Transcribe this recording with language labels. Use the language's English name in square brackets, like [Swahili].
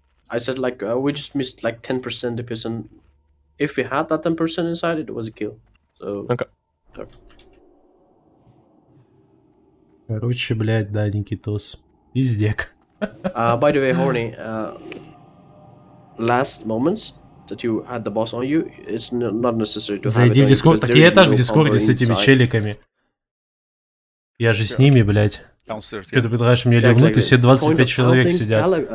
[English] I said, like, we just missed like 10% of the person. If we had that 10% inside, it was a kill. So. Okay. [Russian] Короче, блядь, да, Никитос. Пиздек. [English] By the way, Horny, last moments. That you had the boss on you, it's not necessary to [Russian] зайди [English] have a Discord. [Russian] Так я так в Дискорде с этими челиками. Я же с ними, блядь. Ты предлагаешь мне ливнуть, и все 25 человек сидят.